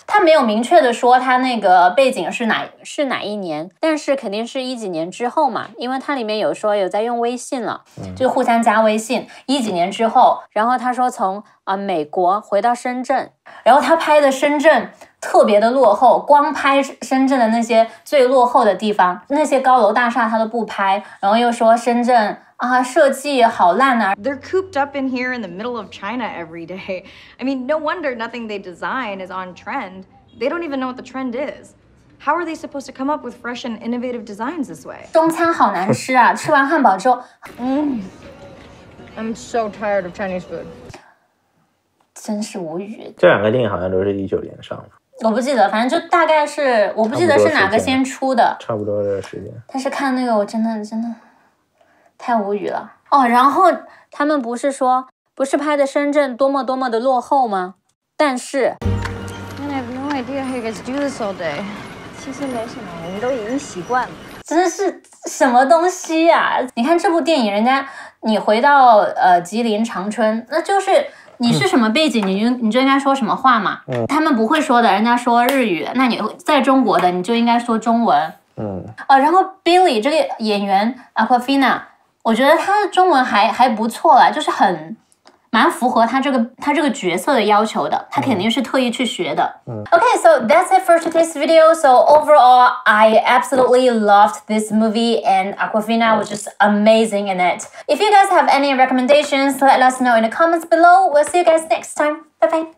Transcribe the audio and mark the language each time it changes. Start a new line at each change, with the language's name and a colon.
Chinese: 他没有明确的说他那个背景是哪一年，但是肯定是一几年之后嘛，因为他里面有说有在用微信了，就互相加微信，一几年之后，然后他说从美国回到深圳，然后他拍的深圳特别的落后，光拍深圳的那些最落后的地方，那些高楼大厦他都不拍，然后又说深圳啊，设计好烂啊。
English: They're cooped up in here in the middle of China every day. I mean, no wonder nothing they design is on trend. They don't even know what the trend is. How are they supposed to come up with fresh and innovative designs this way?
Chinese: 中餐好难吃啊，吃完汉堡之后，
English: I'm so tired of Chinese food.
Chinese: 真是无语。这两个电影好像都是2019年上的。我不记得，反正就大概是，我不记得是哪个先出的。差不多的时间。但是看那个，我真的。太无语了哦！然后他们不是说不是拍的深圳多么多么的落后吗？但是
English: ，I have no idea how you guys do this all day。
Chinese: 其实没什么，我们都已经习惯了。真是什么东西呀、啊？你看这部电影，人家你回到吉林长春，那就是你是什么背景，你就应该说什么话嘛。他们不会说的，人家说日语，那你在中国的你就应该说中文。然后 Billy 这个演员 Aquafina。我觉得他的中文还不错啦，就是很蛮符合他这个角色的要求的，他肯定是特意去学的。
English: Okay, so that's it for today's video. So overall, I absolutely loved this movie and Aquafina was just amazing in it. If you guys have any recommendations, let us know in the comments below. We'll see you guys next time. Bye bye.